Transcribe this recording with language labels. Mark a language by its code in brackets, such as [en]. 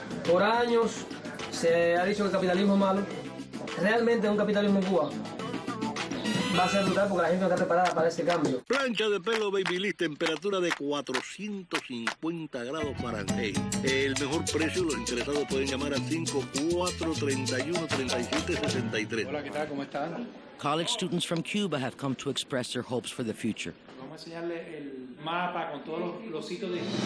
[es] Por años se ha dicho que el capitalismo es malo. Realmente un capitalismo en Cuba va a ser brutal porque la gente no está preparada para ese cambio. Plancha de pelo Babyliss, temperatura de 450 grados Fahrenheit. El mejor precio, los interesados pueden llamar al 5431-3763. Hola, ¿qué tal? ¿Cómo están? [en] College students from Cuba have come to express their hopes for the future. [es] Vamos a enseñarles el mapa con todos los sitios de...